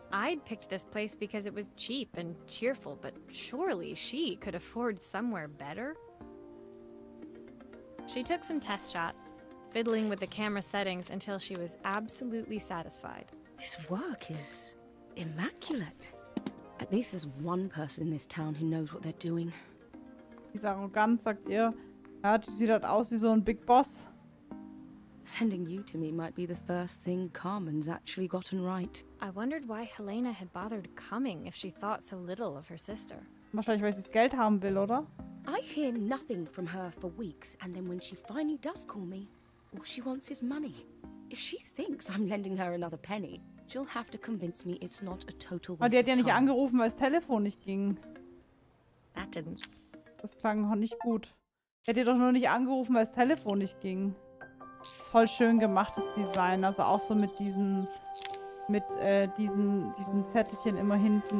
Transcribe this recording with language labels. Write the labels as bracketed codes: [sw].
[en] I'd picked this place because it was cheap and cheerful, but surely she could afford somewhere better? She took some test shots, fiddling with the camera settings until she was absolutely satisfied. This work is immaculate. At least there's one person in this town who knows what they're doing. [de] Ist arrogant, sagt ihr. Ja, du siehst halt aus wie so ein Big Boss. [en] Sending you to me might be the first thing Carmen's actually gotten right. I wondered why Helena had bothered coming if she thought so little of her sister. [de] Wahrscheinlich, weil sie das Geld haben will, oder? [en] I hear nothing from her for weeks, and then when she finally does call me, all she wants is money. If she thinks I'm lending her another penny, she'll have to convince me it's not a total waste. [de] Aber die hat ja nicht angerufen, weil das Telefon nicht ging. [en] That didn't. [de] Das klang noch nicht gut. Die hat ihr doch nur nicht angerufen, weil das Telefon nicht ging. Voll schön gemachtes Design. Also auch so mit diesen diesen Zettelchen immer hinten.